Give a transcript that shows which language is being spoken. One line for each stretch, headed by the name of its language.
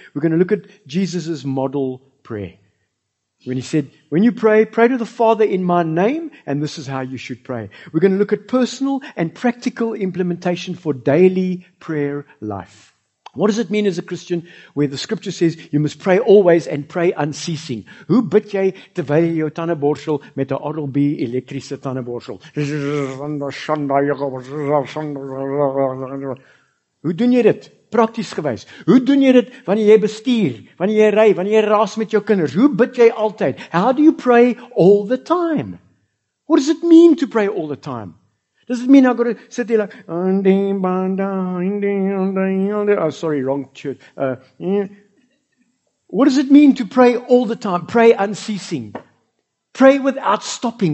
English: We're going to look at Jesus' model prayer. When he said, when you pray, pray to the Father in my name, and this is how you should pray. We're going to look at personal and practical implementation for daily prayer life. What does it mean as a Christian where the scripture says you must pray always and pray unceasing?
Afrikaans: Who bid jy terwyl jy jou tande borsel met 'n Oral-B elektriese tandeborsel? Hoe doen jy dit? Prakties gewys. Hoe doen jy dit wanneer jy bestuur, wanneer jy ry, wanneer jy raas met jou kinders? Hoe bid jy altyd?
English: How do you pray all the time? What does it mean to pray all the time? Does it mean I've got to sit there like, wrong church. What does it mean to pray all the time? Pray unceasing. Pray without stopping.